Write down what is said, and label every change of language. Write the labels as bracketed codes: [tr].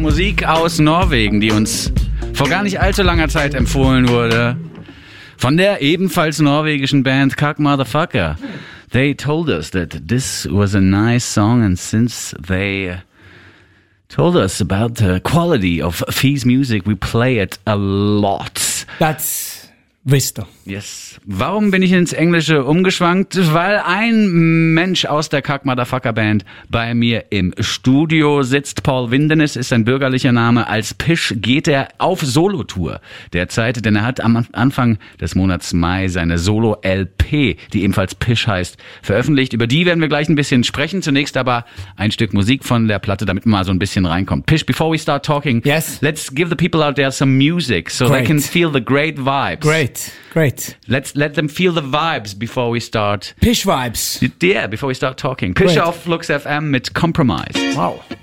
[de] Musik aus Norwegen, die uns vor gar nicht allzu langer Zeit empfohlen wurde. Von der ebenfalls norwegischen Band Cuck Motherfucker. [en] They told us that this was a nice song, and since they told us about the quality of Fee's music, we play it a lot. That's wisdom. [de] Yes. Warum bin ich ins Englische umgeschwankt? Weil ein Mensch aus der Cuck Motherfucker Band bei mir im Studio sitzt. Paul Windenes ist sein bürgerlicher Name. Als Pisch geht er auf Solotour derzeit, denn er hat am Anfang des Monats Mai seine Solo-LP, die ebenfalls Pisch heißt, veröffentlicht. Über die werden wir gleich ein bisschen sprechen. Zunächst aber ein Stück Musik von der Platte, damit man mal so ein bisschen reinkommt. [en] Pisch, before we start talking, yes, let's give the people out there some music, so great, they can feel the great vibes. Great. Great. Let's let them feel the vibes before we start. Pish vibes. Yeah, before we start talking. Pish great. Off Flux FM mit Compromise. Wow.